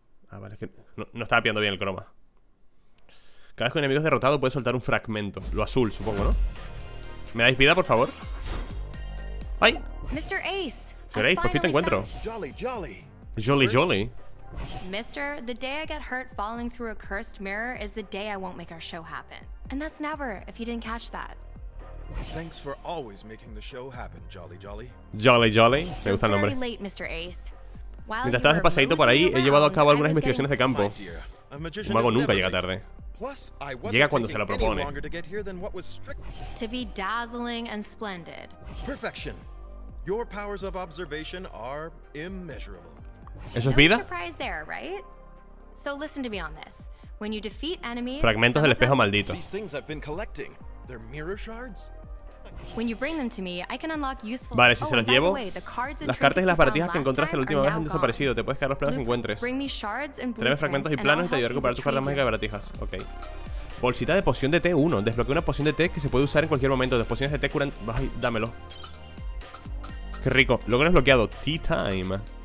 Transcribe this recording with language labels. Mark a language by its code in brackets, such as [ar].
[es] Ah, vale, es que no estaba pillando bien el croma. Cada vez que un enemigo es derrotado puede soltar un fragmento. Lo azul, supongo, ¿no? ¿Me dais vida, por favor? ¡Ay! [en] Mr. Ace, [es] señor Ace, por fin te encuentro. [en] Jolly, jolly. Jolly, jolly. Mister, the day I get hurt falling through a cursed mirror is the day I won't make our show happen. And that's never, if you didn't catch that. Thanks for always making the show happen, Jolly Jolly. [es] Jolly Jolly, me gusta el nombre. [en] You're very late, Mr. Ace. [es] Mientras estabas de paseadito por ahí, he llevado a cabo algunas investigaciones de campo. Un mago nunca llega tarde. Llega cuando se lo propone. [en] To be dazzling and splendid. Perfection. Your powers of observation are immeasurable. [es] ¿Eso es vida? [en] Surprise there, right? So listen to me on this. When you defeat enemies, [es] fragmentos del espejo maldito. [en] These things I've been collecting, they're mirror shards. When you bring them to me, I can unlock useful. [es] Vale, si se los llevo. Las cartas y las baratijas que encontraste la última vez han desaparecido. Te puedes quedar los planos que encuentres. Tráeme fragmentos y planos y te ayudaré a recuperar tu carta mágica de baratijas. Ok. Bolsita de poción de té 1. Desbloquea una poción de té que se puede usar en cualquier momento. Las pociones de té curan. Ay, dámelo. Qué rico. Logro desbloqueado. Tea time.